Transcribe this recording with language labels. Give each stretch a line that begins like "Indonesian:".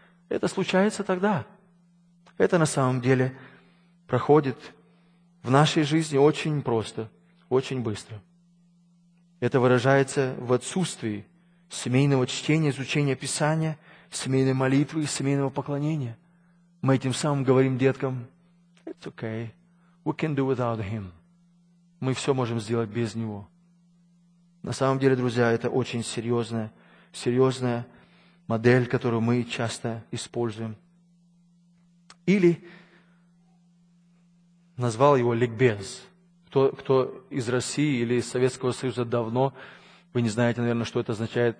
Russian: Это случается тогда. Это на самом деле проходит в нашей жизни очень просто, очень быстро. Это выражается в отсутствии семейного чтения, изучения Писания, семейной молитвы и семейного поклонения. Мы этим самым говорим деткам,
English: it's okay, we can do without him.
Russian: мы все можем сделать без Него. На самом деле, друзья, это очень серьезная, серьезная модель, которую мы часто используем. Или назвал его ликбез. Кто из России или из Советского Союза давно, вы не знаете, наверное, что это означает.